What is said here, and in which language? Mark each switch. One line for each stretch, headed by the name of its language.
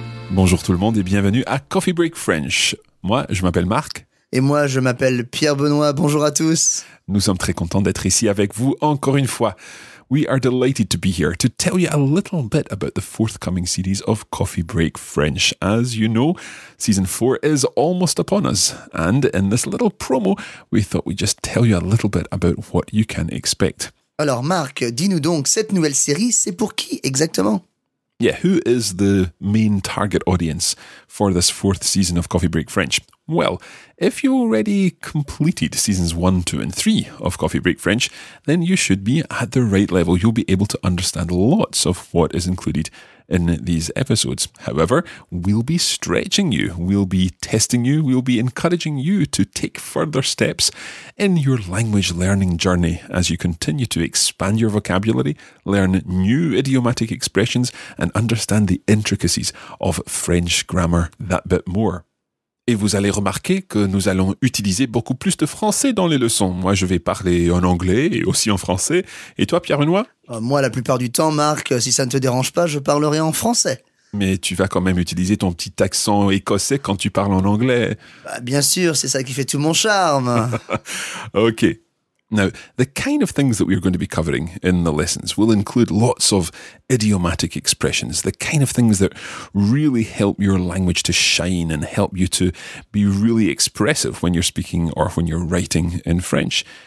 French: Bonjour tout le monde et bienvenue à Coffee Break French. Moi, je m'appelle Marc. Et moi, je m'appelle Pierre-Benoît. Bonjour à tous. Nous sommes très contents d'être ici avec vous encore une fois.
English: We are delighted to be here to tell you a little bit about the forthcoming series of Coffee Break French. As you know, season 4 is almost upon us. And in this little promo, we thought we'd just tell you a little bit about what you can expect.
French: Alors Marc, dis-nous donc, cette nouvelle série, c'est pour qui exactement?
English: Yeah, who is the main target audience for this fourth season of Coffee Break French? Well, if you already completed seasons 1, 2 and 3 of Coffee Break French, then you should be at the right level. You'll be able to understand lots of what is included in these episodes. However, we'll be stretching you, we'll be testing you, we'll be encouraging you to take further steps in your language learning journey as you continue to expand your vocabulary, learn new idiomatic expressions and understand the intricacies of French grammar that bit more.
French: Et vous allez remarquer que nous allons utiliser beaucoup plus de français dans les leçons. Moi, je vais parler en anglais et aussi en français. Et toi, Pierre-Benoît ? Moi, la plupart du temps, Marc, si ça ne te dérange pas, je parlerai en français. Mais tu vas quand même utiliser ton petit accent écossais quand tu parles en anglais. Bah, bien sûr, c'est ça qui fait tout mon charme.
English: OK. Now, the kind of things that we're going to be covering in the lessons will include lots of idiomatic expressions, the kind of things that really help your language to shine and help you to be really expressive when you're speaking or when you're writing in French.